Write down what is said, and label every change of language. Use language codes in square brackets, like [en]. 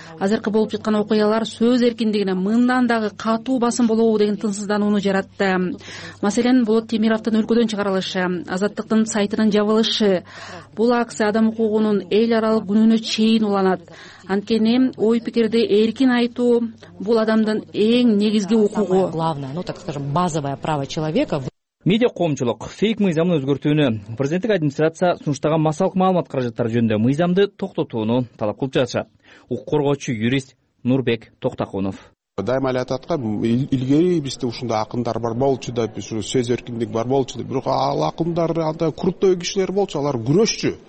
[ky] Азыркы болуп жаткан окуялар сөз эркиндигине мындан дагы катуу басым болобу деген тынсыздануну жаратты. Маселен, Болот Темировдун өлкөдөн чыгарылышы, Азаттыктын сайтынын жабылышы, бул акция адам укугунун эл аралык күнүнө чейин уланат. Анткени ой пикирди эркин айтуу бул адамдын эң негизги укугу. [ru] Главное, ну так скажем, базовое право человека. [ky] Медиа коомчулук фейк мыйзамын өзгөртүүнү, президенттик администрация сунуштаган массалык маалымат каражаттары жөнүндө мыйзамды токтотууну талап кылып жатышат. Укук коргоочу юрист Нурбек Токтокунов. Дайыма эле айтып аткам, илгери бизде ушундай акындар бар болчу деп, сөз эркиндиги бар болчу деп, бирок ал акындар андай куруттоо кишилер болчу, алар күрөшчү.